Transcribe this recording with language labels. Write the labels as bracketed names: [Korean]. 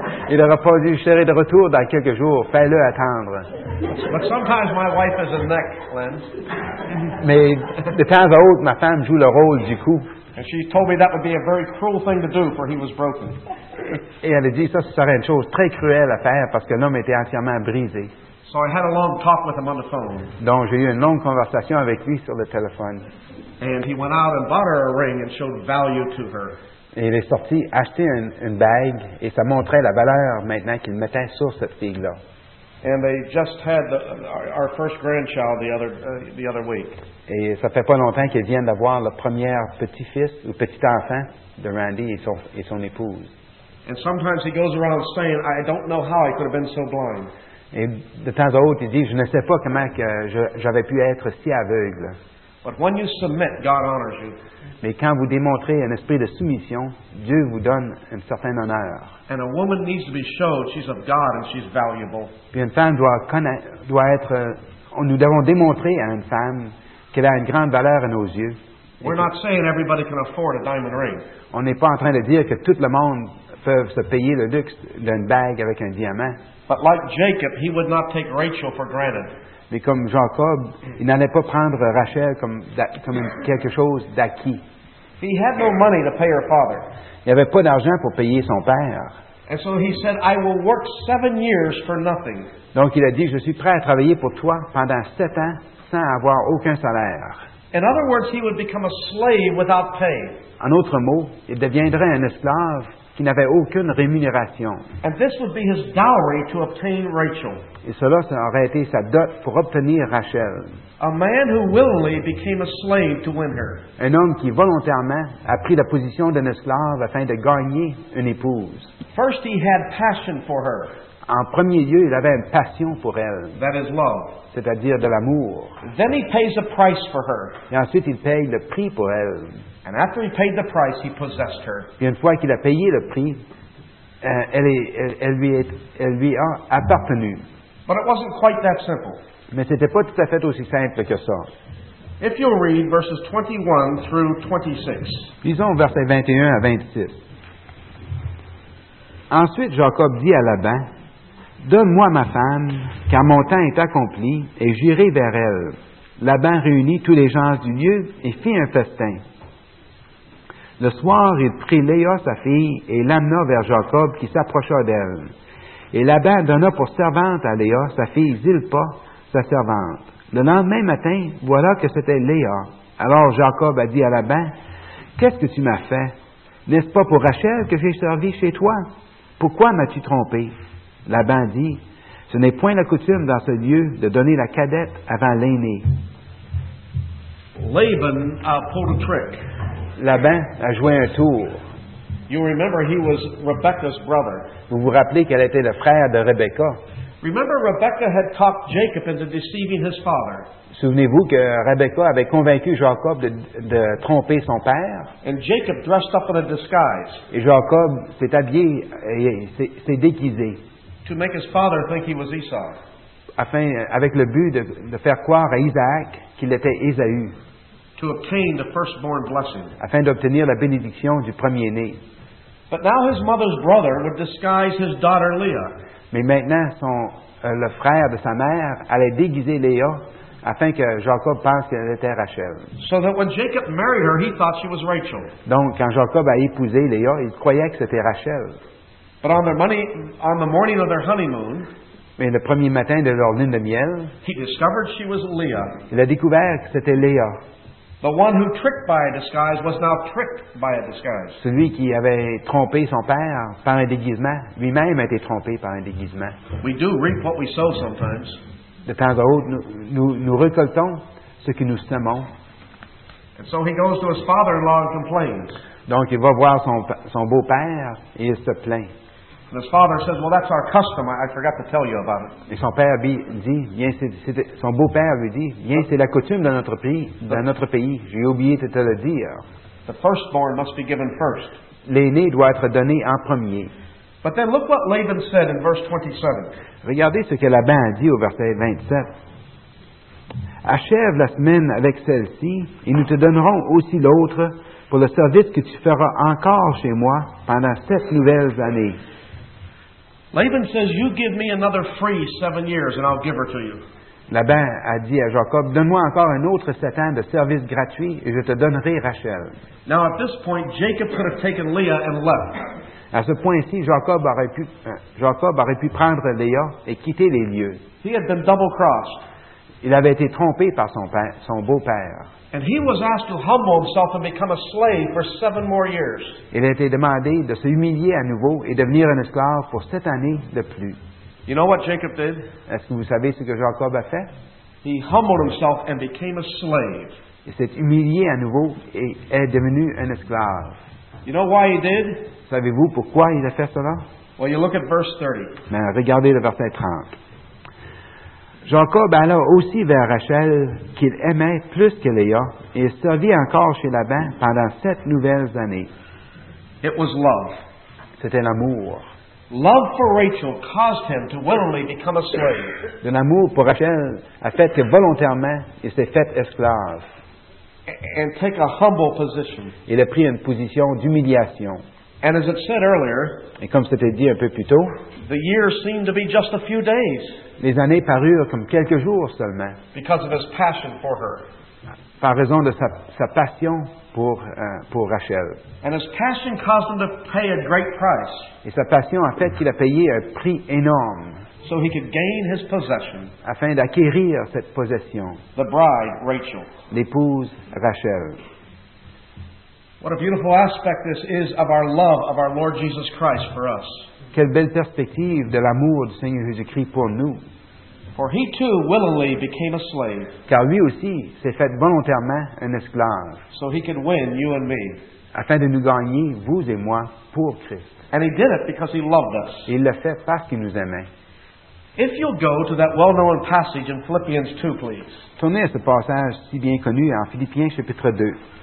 [French] Il n'aurait pas dû, je serai de retour dans quelques jours, fais-le attendre. [English] But sometimes my wife is a neck, Lynn. [French] Mais de temps à autre, ma femme joue le rôle du coup. [English] And she told me that would be a very cruel thing to do, for he was broken. [French] Et elle a dit, ça, ce serait une chose très cruelle à faire, parce que l'homme était entièrement brisé. [English] So I had a long talk with him on the phone. [French] Donc, j'ai eu une longue conversation avec lui sur le téléphone. [English] And he went out and bought her a ring and showed value to her. [French] Et il est sorti acheter une bague, et ça montrait la valeur maintenant qu'il mettait sur cette fille-là. [English] And they just had our first grandchild the other week. [French] Et ça fait pas longtemps qu'ils viennent d'avoir le premier petit-fils ou petit-enfant de Randy et son épouse. [English] And sometimes he goes around saying, I don't know how I could have been so blind. [French] Et de temps à autre, il dit, je ne sais pas comment que j'avais pu être si aveugle. [English] But when you submit, God honors you. [French] Mais quand vous démontrez un esprit de soumission, Dieu vous donne un certain honneur. [English] And a woman needs to be showed she's of God and she's valuable. [French] Puis une femme doit être nous devons démontrer à une femme qu'elle a une grande valeur à nos yeux. [English] We're not saying everybody can afford a diamond ring. [French] On n'est pas en train de dire que tout le monde peut se payer le luxe d'une bague avec un diamant. [English] But like Jacob, he would not take Rachel for granted. [French] Mais comme Jacob, il n'allait pas prendre Rachel comme quelque chose d'acquis. [English] He had no money to pay her father. [French] Il n'avait pas d'argent pour payer son père. [English] And so he said, I will work 7 years for nothing. [French] Donc il a dit, je suis prêt à travailler pour toi pendant 7 ans sans avoir aucun salaire. [English] In other words, he would become a slave without pay. [French] En autre mot, il deviendrait un esclave qui n'avait aucune rémunération. [English] And this would be his dowry to obtain Rachel. [French] Et cela, ça aurait été sa dot pour obtenir Rachel. [English] A man who willingly became a slave to win her. [French] Un homme qui volontairement a pris la position d'un esclave afin de gagner une épouse. [English] First, he had passion for her. [French] En premier lieu, il avait une passion pour elle. [English] That is love. [French] C'est-à-dire de l'amour. [English] Then he pays a price for her. [French] Et ensuite, il paye le prix pour elle. [English] And after he paid the price, he possessed her. [French] Et une fois qu'il a payé le prix, elle lui a appartenu. [English] But it wasn't quite that simple. [French] Mais ce n'était pas tout à fait aussi simple que ça. [English] If you'll read verses 21 through 26. [French] Lisons versets 21 à 26. Ensuite, Jacob dit à Laban, « Donne-moi ma femme, car mon temps est accompli, et j'irai vers elle. » Laban réunit tous les gens du lieu et fit un festin. Le soir, il prit Léa, sa fille, et l'amena vers Jacob, qui s'approcha d'elle. Et Laban donna pour servante à Léa, sa fille Zilpa, sa servante. Le lendemain matin, voilà que c'était Léa. Alors Jacob a dit à Laban, « Qu'est-ce que tu m'as fait? N'est-ce pas pour Rachel que j'ai servi chez toi? Pourquoi m'as-tu trompé? » Laban dit, « Ce n'est point la coutume dans ce lieu de donner la cadette avant l'aîné. » [English] Laban a pulled a trick. [French] Laban a joué un tour. [English] You remember he was Rebecca's brother. [French] Vous vous rappelez qu'elle était le frère de Rebecca. [English] Remember Rebecca had talked Jacob into deceiving his father. [French] Souvenez-vous que Rebecca avait convaincu Jacob de tromper son père. [English] And Jacob dressed up in a disguise. [French] Et Jacob s'est habillé et s'est déguisé. [English] To make his father think he was Esau. [French] Afin, avec le but de faire croire à Isaac qu'il était Ésaü. [English] To obtain the firstborn blessing. [French] Afin d'obtenir la bénédiction du premier-né. [English] But now his mother's brother would disguise his daughter Leah. [French] Mais maintenant, le frère de sa mère allait déguiser Léa afin que Jacob pense qu'elle était Rachel. [English] So that when Jacob married her, he thought she was Rachel. [French] Donc, quand Jacob a épousé Léa, il croyait que c'était Rachel. [English] But on the morning of their honeymoon, [French] mais le premier matin de leur lune de miel, [English] he discovered she was Leah. [French] Il a découvert que c'était Léa. [English] The one who tricked by a disguise was now tricked by a disguise. [French] Celui qui avait trompé son père par un déguisement, lui-même a été trompé par un déguisement. [English] We do reap what we sow sometimes. [French] De temps à autre, nous récoltons ce que nous semons. [English] And so he goes to his father-in-law and complains. [French] Donc il va voir son beau-père et il se plaint. [English] And his father says, "Well, that's our custom. I forgot to tell you about it." [French] Et son père dit, "Viens, c'est son beau-père lui dit, viens, c'est la coutume dans notre pays. J'ai oublié de te le dire." [English] The firstborn must be given first. [French] L'aîné doit être donné en premier. [English] But then look what Laban said in verse 27. [French] Regardez ce que Laban a dit au verset 27. Achève la semaine avec celle-ci, et nous te donnerons aussi l'autre pour le service que tu feras encore chez moi pendant 7 nouvelles années. [English] Laban says, "You give me another free 7 years, and I'll give her to you." [French] Laban a dit à Jacob, "Donne-moi encore un autre 7 ans de service gratuit, et je te donnerai Rachel." [English] Now, at this point, Jacob could have taken Leah and left. [French] À ce point-ci, Jacob aurait pu prendre Léa et quitter les lieux. [English] He had been double-crossed. [French] Il avait été trompé par son beau-père. [English] And he was asked to humble himself and become a slave for 7 more years. [French] Il a été demandé de se humilier à nouveau et devenir un esclave pour 7 années de plus. [English] You know what Jacob did? [French] Est-ce que vous savez ce que Jacob a fait? [English] He humbled himself and became a slave. [French] Il s'est humilié à nouveau et est devenu un esclave. [English] You know why he did? [French] Savez-vous pourquoi il a fait cela? [English] Well, you look at verse 30. [French] Mais regardez le verset 30. Jacob alla aussi vers Rachel, qu'il aimait plus que Léa, et servit encore chez Laban pendant 7 nouvelles années. [English] It was love. [French] C'était l'amour. [English] Love for Rachel caused him to willingly become a slave. [French] De l'amour pour Rachel a fait que volontairement il s'est fait esclave. [English] And take a humble position. [French] Il a pris une position d'humiliation. [English] And as it said earlier, [French] et comme c'était dit un peu plus tôt, [English] the years seemed to be just a few days. [French] Les années parurent comme quelques jours seulement. [English] Because of his passion for her. [French] Par raison de sa passion pour Rachel. [English] And his passion caused him to pay a great price. [French] Et sa passion a fait qu'il a payé un prix énorme. [English] So he could gain his possession. [French] Afin d'acquérir cette possession. [English] The bride, Rachel. [French] L'épouse, Rachel. [English] What a beautiful aspect this is of our love of our Lord Jesus Christ for us. [French] Quelle belle perspective de l'amour du Seigneur Jésus-Christ pour nous. [English] For he too willingly became a slave. [French] Car lui aussi s'est fait volontairement un esclave. [English] So he could win you and me. [French] Afin de nous gagner, vous et moi, pour Christ. [English] And he did it because he loved us. [French] Il l'a fait parce qu'il nous aimait. [English] If you'll go to that well-known passage in Philippians 2, please. [French] Tournez à ce passage si bien connu en Philippiens chapitre 2.